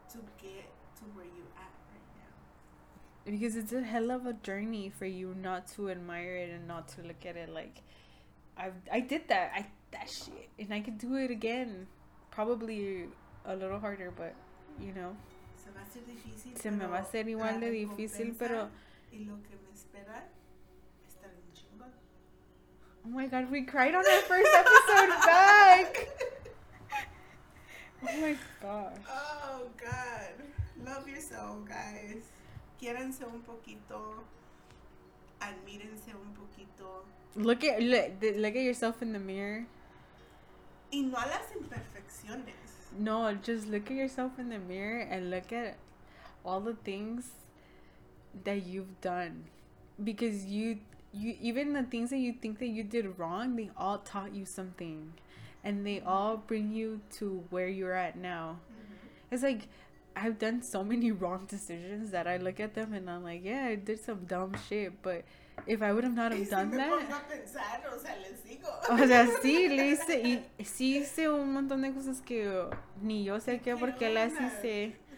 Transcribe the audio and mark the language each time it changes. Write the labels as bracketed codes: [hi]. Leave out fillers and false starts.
[en] to get to where you at right now, because it's a hell of a journey for you not to admire it and not to look at it like I did that shit and I could do it again, probably a little harder, but you know, [es] se va a ser difícil, se me va a ser igual de difícil, pero y lo que me espera está bien chingón. [en] Oh my god, we cried on our first episode back. Oh my gosh. Oh god. Love yourself, guys. [es] Quiéranse un poquito. Admírense un poquito. [en] Look at yourself in the mirror. [es] Y no a las imperfecciones. [en] No, just look at yourself in the mirror and look at all the things that you've done. Because you even the things that you think that you did wrong, they all taught you something. And they all bring you to where you're at now. Mm-hmm. It's like, I've done so many wrong decisions that I look at them and I'm like, yeah, I did some dumb shit. But if I would have not have done that. [es] O sea, les digo. O sea, sí, le hice. Y sí hice un montón de cosas que ni yo sé qué por qué las hice.